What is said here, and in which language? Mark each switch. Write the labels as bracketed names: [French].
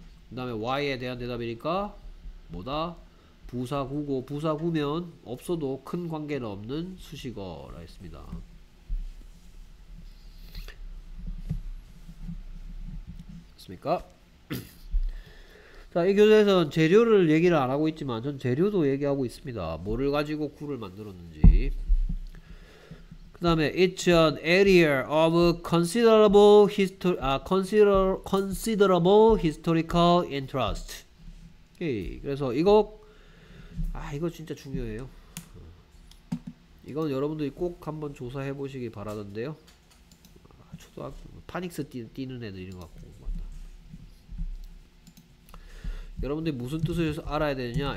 [Korean] 그다음에 why에 대한 대답이니까 뭐다? 부사구고, 부사구면 없어도 큰 관계는 없는 수식어라 했습니다. 됐습니까? 자, 이 교재에서는 재료를 얘기를 안 하고 있지만 전 재료도 얘기하고 있습니다. 뭐를 가지고 구를 만들었는지. 그다음에 [English] it's an area of considerable history, considerable historical interest. [Korean] 오케이. 그래서 이거 이거 진짜 중요해요. 이건 여러분들이 꼭 한번 조사해 보시기 바라던데요. 초등학교 파닉스 뛰는 애들 이런 거 같고. 여러분들이 무슨 뜻을 알아야 되느냐?